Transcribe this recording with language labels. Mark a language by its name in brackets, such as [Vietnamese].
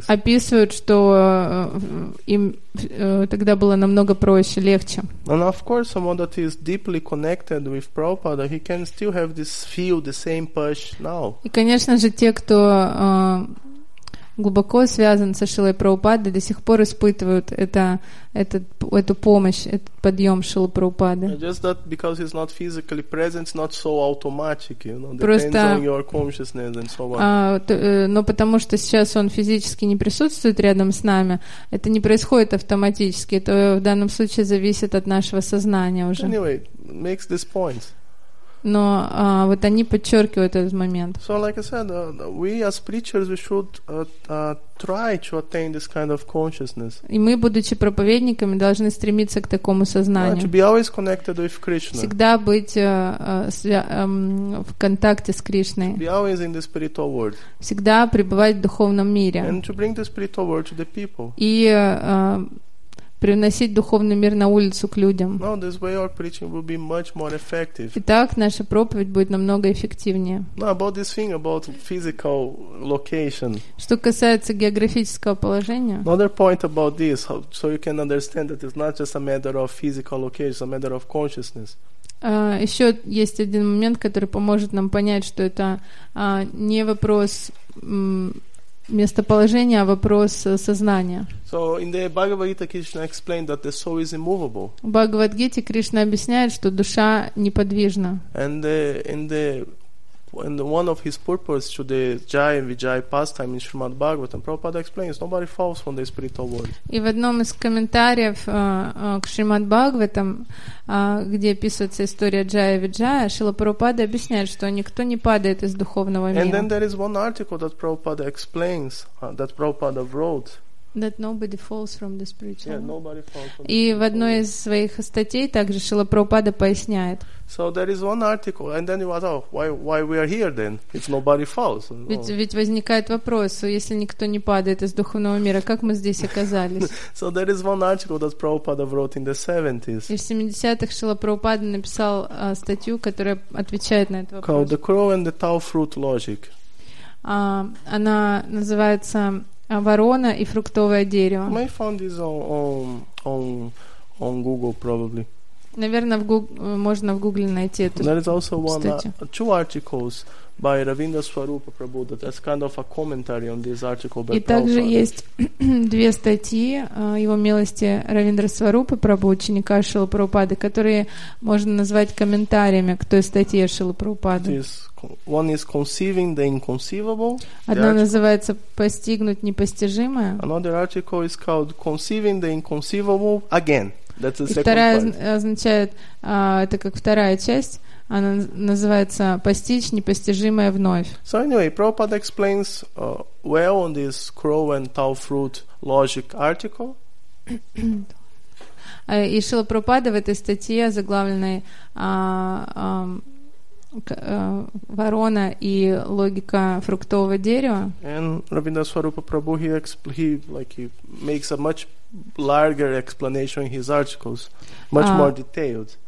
[Russian] описывают, что им тогда было намного проще, легче. [English] And of course, someone that is deeply connected with Prabhupada, he can still have this feel, the same push now. [Russian] И, конечно же, те, кто глубоко связан со Шрилой Прабхупадой, до сих пор испытывают эту помощь, этот подъем Шрилы Прабхупады. [English] Just that because he's not physically present, it's not so automatic, you know, depends on your consciousness and so on. [Russian] Но потому что сейчас он физически не присутствует рядом с нами, это не происходит автоматически, это в данном случае зависит от нашего сознания уже. [English] Anyway, makes this point. [Russian] Но вот они подчеркивают этот момент. [English] So, like I said, we as preachers, we should try to attain this kind of consciousness. [Russian] И мы, будучи проповедниками, должны стремиться к такому сознанию. [English] To be always connected with Krishna. [Russian] Всегда быть в контакте с Кришной. [English] To be always in the spiritual world. [Russian] Всегда пребывать в духовном мире. [English] And to bring the spiritual world to the people. [Russian] И привносить духовный мир на улицу к людям. [English] No, this way our preaching will be much more effective. [Russian] Итак, наша проповедь будет намного эффективнее. [English] No, about this thing, about physical location. [Russian] Что касается географического положения. [English] Another point about this, so you can understand that it's not just a matter of physical location, it's a matter of consciousness. [Russian] Еще есть один момент, который поможет нам понять, что это не вопрос местоположение, а вопрос сознания. [English] So in the Bhagavad Gita, Krishna explained that the soul is immovable. [Russian] В Бхагавад Гите Кришна объясняет, что душа неподвижна. [English] And in the one of his purpose to the Jaya and Vijaya pastime in Srimad Bhagavatam, Prabhupada explains nobody falls from the spiritual world. [Russian] И в одном из комментариев к Шримад Бхагаватам, где описывается история Джая и Виджая, Шрила Прабхупада объясняет, что никто не падает из духовного мира. [English] And then there is one article that Prabhupada explains that Prabhupada wrote. That nobody falls from the spiritual. Yeah, nobody falls from the [Russian] И в одной из своих статей также Шрила Прабхупада поясняет. [English] So there is one article, and then you ask, oh, why we are here then? If nobody falls. Oh. [Russian] Ведь возникает вопрос, если никто не падает из духовного мира, как мы здесь оказались? [English] So there is one article that Prabhupada wrote in the 70s. [Russian] И в 70-х Шрила Прабхупада написал статью, которая отвечает на этот вопрос. [English] Called The Crow and the Tau Fruit Logic. [Russian] Она называется Ворона и фруктовое дерево. [English] You may find this on Google probably. [Russian] Наверное, можно в Гугле найти эту статью. [English] There is also two articles by Ravindra Swarupa Prabhu that is kind of a commentary on this article by Prabhupada. [Russian] И также есть две статьи его милости Равиндра Сварупы Прабху, ученика Шрилы Прабхупады, которые можно назвать комментариями к той статье Шрилы Прабхупады. [English] One is conceiving the inconceivable. [Russian] Одна называется «Постигнуть непостижимое». [English] Another article is called conceiving the inconceivable again. That's the [Russian] и вторая [English] part. [Russian] Означает, это как вторая часть, она называется «Постичь непостижимое вновь». [English] So anyway, Prabhupada explains well on this crow and tau fruit logic article. [Russian] И Шрила Прабхупада в этой статье, заглавленной «Ворона и логика фруктового дерева». [English] And Ravindra Swarupa Prabhu, he makes a much larger explanation in his articles, much more detailed.